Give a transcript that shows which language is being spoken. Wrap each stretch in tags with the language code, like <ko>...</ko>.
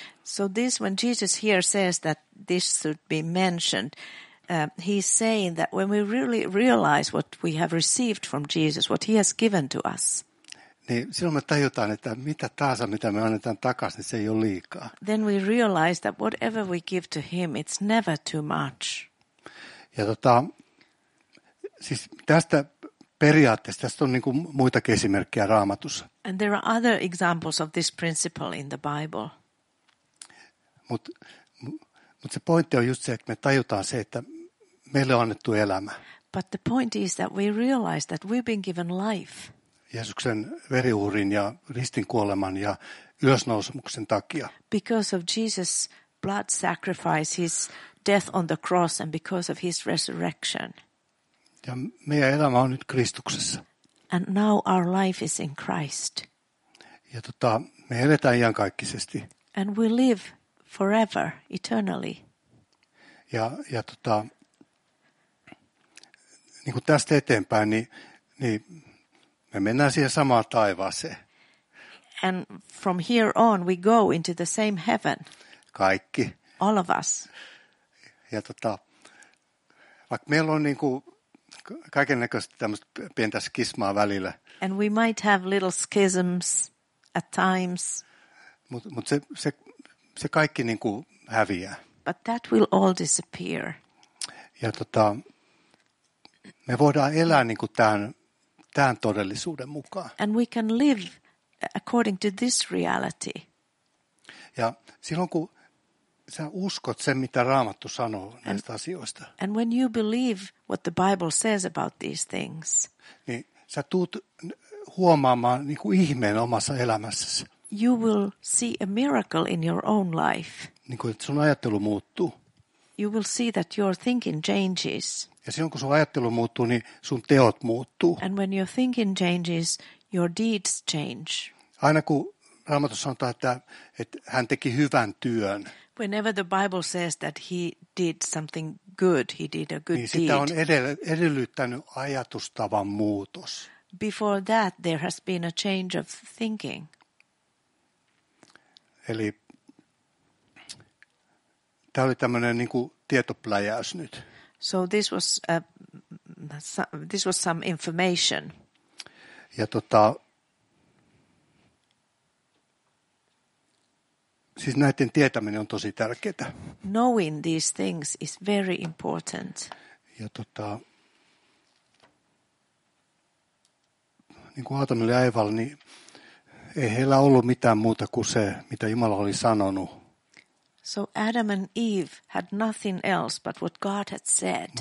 <en>So this, when Jesus here says that this should be mentioned, he's saying that when we really realize what we have received from Jesus, what he has given to us,</en> <fi>niin silloin me tajutaan, että mitä tahansa, mitä me annetaan takaisin, niin se ei ole liikaa.</fi> <en>Then we realize that whatever we give to him, it's never too much.</en> <fi>Ja siis tästä periaatteesta, tästä on niin kuin muitakin esimerkkejä Raamatussa.</fi> <en>And there are other examples of this principle in the Bible.</en> <fi>Mut se pointti on just se, että me tajutaan se, että meille on annettu elämä.</fi> <en>But the point is that we realize that we've been given life.</en> <fi>Jeesuksen veriuhrin ja ristin kuoleman ja ylösnousemuksen takia.</fi> <en>Because of Jesus' blood sacrifice, his death on the cross, and because of his resurrection.</en> <fi>Ja meidän elämä on nyt Kristuksessa.</fi> <en>And now our life is in Christ.</en> <fi>Ja me eletään iankaikkisesti.</fi> <en>And we live forever, eternally.</en> <fi>Ja niin kuin tästä eteenpäin, niin me mennään siihen samaan taivaaseen.</fi> <en>And from here on we go into the same heaven.</en> <fi>Kaikki.</fi> <en>All of us.</en> <fi>Ja vaikka meillä on niinku kaikennäköistä tämmöistä pientä skismaa välillä.</fi> <en>And we might have little schisms at times.</en> <fi>Mut se kaikki niinku häviää.</fi> <en>But that will all disappear.</en> <fi>Ja me voidaan elää niinku tämän todellisuuden mukaan.</fi> <en>And we can live according to this reality.</en> <fi>Ja silloin kun sä uskot sen, mitä Raamattu sanoo näistä asioista.</fi> <en>And when you believe what the Bible says about these things.</en> <fi>Niin sä tuut huomaamaan niin kuin ihmeen omassa elämässäsi.</fi> <en>You will see a miracle in your own life.</en> <fi>Niin kuin että sun ajattelu muuttuu.</fi> <en>You will see that your thinking changes.</en> <fi>Ja silloin kun sun ajattelu muuttuu, niin sun teot muuttuu.</fi> <en>And when your thinking changes, your deeds change.</en> <fi>Aina kun Raamatussa sanotaan, että hän teki hyvän työn.</fi> <en>Whenever the Bible says that he did something good, he did a good deed.</en> <fi>Niin sitä on edellyttänyt ajatustavan muutos.</fi> <en>Before that there has been a change of thinking.</en> <fi>Eli tämä oli tämmöinen niin kuin tietopläjäys nyt.</fi> <en>So this was some information.</en> <fi>Ja siis näiden tietäminen on tosi tärkeää.</fi> <en>Knowing these things is very important.</en> <fi>Ja niin kuin Aatamille ja Eevalle, niin ei heillä ollut mitään muuta kuin se, mitä Jumala oli sanonut.</fi> <en>So Adam and Eve had nothing else but what God had said.</en>